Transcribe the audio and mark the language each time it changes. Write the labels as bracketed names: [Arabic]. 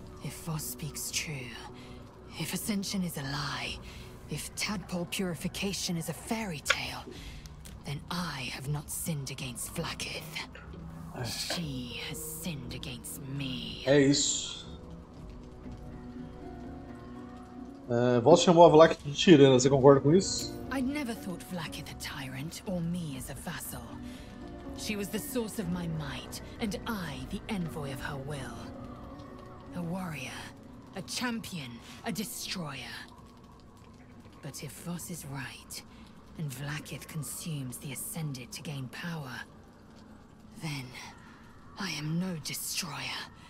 [English] If Vos speaks true, if ascension is a lie, if tadpole purification is a fairy tale, then I have not sinned against Vlakith. She has sinned against me. [Portuguese] É isso. Vos chamou a Vlakith de tirana, você concorda com isso? [English] I'd never thought Vlakith a tyrant, or me as a vassal. She was the source of my might, and I the envoy of her will. A warrior, a champion, a destroyer. But if Voss is right, and Vlakith consumes the Ascended to gain power, then I am no destroyer.